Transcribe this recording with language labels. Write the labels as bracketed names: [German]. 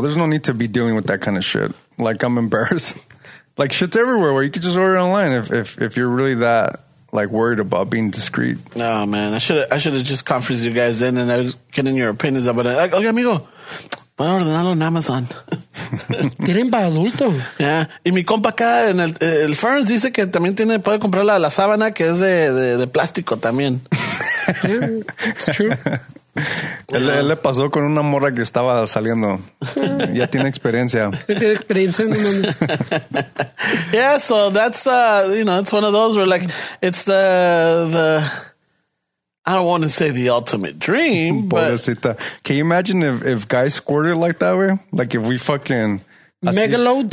[English] There's no need to be dealing with that kind of shit. Like, I'm embarrassed. Like, shit's everywhere where you could just order online if you're really that, like, worried about being discreet. No, oh, man. I should have just conferenced you guys in and I was getting your opinions about it. Like, okay, [Spanish] amigo, voy a ordenarlo en Amazon. Tienen para adulto. [English] Yeah. [Spanish] Y mi compa acá en el Ferns dice que también tiene, puede comprar la sábana que es de plástico también. [English] Yeah, it's true. [Spanish] Él le pasó con una morra que estaba saliendo. Ya tiene experiencia. Tiene experiencia. [English] Yeah, so that's, you know, it's one of those where, like, it's the I don't want to say the ultimate dream, but... Can you imagine if guys squirted like that way? Like if we fucking... Megaloads?